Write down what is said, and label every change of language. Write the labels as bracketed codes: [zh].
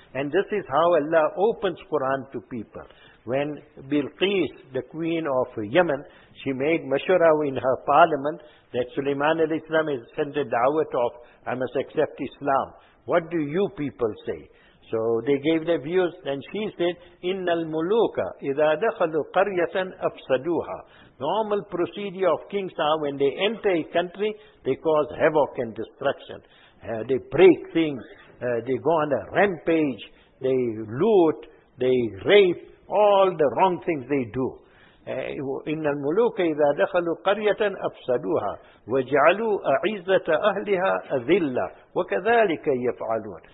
[en] And this is how Allah opens Quran to people. When Bilqis, the queen of Yemen, she made mashura in her parliament that Sulaiman al-Islam has sent a da'wah of, I must accept Islam. What do you people say? So they gave their views. Then she said, [ar] إِنَّ الْمُلُوكَ إِذَا دَخَلُوا قَرْيَةً أَفْسَدُوهَا. [en] Normal procedure of kings are when they enter a country, they cause havoc and destruction. They break things, they go on a rampage, they loot, they rape, all the wrong things they do. [ar] إِنَّ الْمُلُوكَ إِذَا دَخَلُوا قَرْيَةً أَفْسَدُوهَا وَجَعَلُوا أَعِزَّةَ أَهْلِهَا أَذِلَّةَ وَكَذَلِكَ يَفْعَلُونَ.